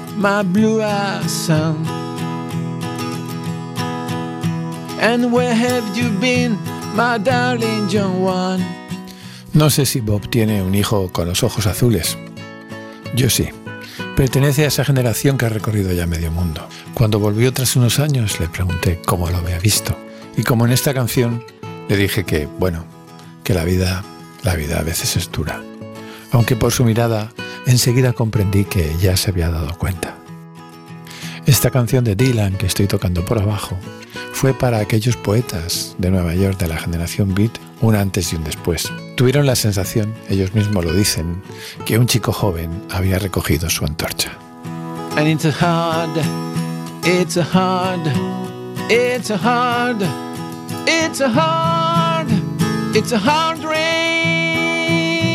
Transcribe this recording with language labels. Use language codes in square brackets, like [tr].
[en] My blue-eyed son, and where have you been, my darling young one? [es] No sé si Bob tiene un hijo con los ojos azules. Yo sí. Pertenece a esa generación que ha recorrido ya medio mundo. Cuando volvió tras unos años, le pregunté cómo lo había visto. Y como en esta canción, le dije que, bueno, que la vida a veces es dura. Aunque por su mirada, enseguida comprendí que ya se había dado cuenta. Esta canción de Dylan, que estoy tocando por abajo, fue para aquellos poetas de Nueva York de la generación Beat un antes y un después. Tuvieron la sensación, ellos mismos lo dicen, que un chico joven había recogido su antorcha. [en] And it's a hard, it's a hard, it's a hard, it's a hard, it's a hard rain.